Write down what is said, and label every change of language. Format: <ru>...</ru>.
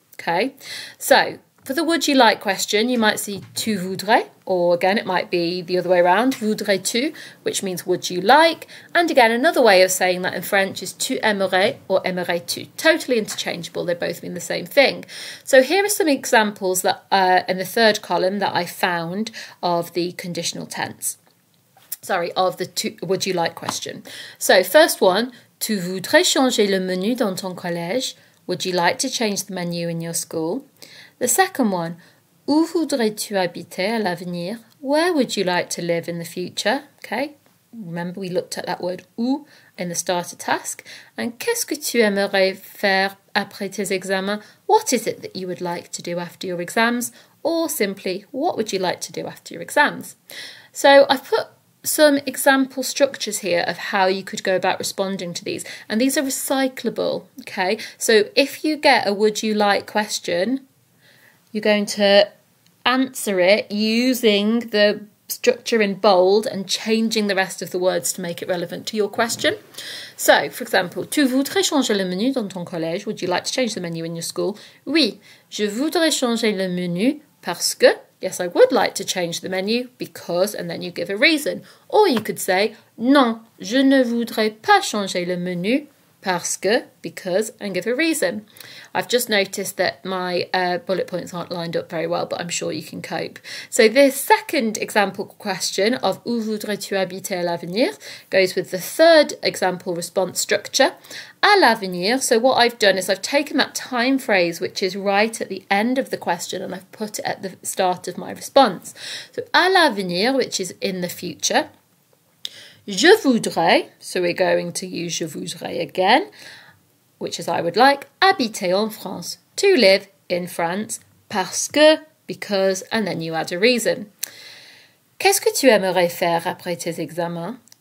<en>Okay, so for the would you like question, you might see</en> <fr>tu voudrais,</fr> <en>or again it might be the other way around,</en> <fr>voudrais-tu,</fr> <en>which means would you like. And again, another way of saying that in French is</en> <fr>tu aimerais</fr> <en>or</en> <fr>aimerais-tu.</fr> <en>Totally interchangeable, they both mean the same thing. So here are some examples that in the third column that I found of the conditional tense. Sorry, of the would you like question. So first one,</en> <fr>tu voudrais changer le menu dans ton collège?</fr> <en>Would you like to change the menu in your school? The second one,</en> <fr>où voudrais-tu habiter à l'avenir?</fr> <en>Where would you like to live in the future? Okay, remember we looked at that word où in the starter task.</en> <fr>And qu'est-ce que tu aimerais faire après tes examens?</fr> <en>What is it that you would like to do after your exams? Or simply, what would you like to do after your exams? So I've put some example structures here of how you could go about responding to these. And these are recyclable, okay? So if you get a would you like question, you're going to answer it using the structure in bold and changing the rest of the words to make it relevant to your question. So, for example,</en> <fr>tu voudrais changer le menu dans ton collège?</fr> <en>Would you like to change the menu in your school?</en> <fr>Oui, je voudrais changer le menu parce que.</fr> <en>Yes, I would like to change the menu because, and then you give a reason. Or you could say,</en> <fr>non, je ne voudrais pas changer le menu parce que,</fr> <en>because, and give a reason. I've just noticed that my bullet points aren't lined up very well, but I'm sure you can cope. So this second example question of</en> <fr>où voudrais-tu habiter à l'avenir</fr> <en>goes with the third example response structure, à l'avenir. So what I've done is I've taken that time phrase, which is right at the end of the question, and I've put it at the start of my response. So</en> <fr>à l'avenir,</fr> <en>which is in the future,</en> <fr>je voudrais,</fr> <en>so we're going to use je voudrais again, which is I would like,</en> <fr>habiter en France,</fr> <en>to live in France,</en> <fr>parce que,</fr> <en>because, and then you add a reason.</en> <fr>Qu'est-ce que tu aimerais faire après tes examens?</fr>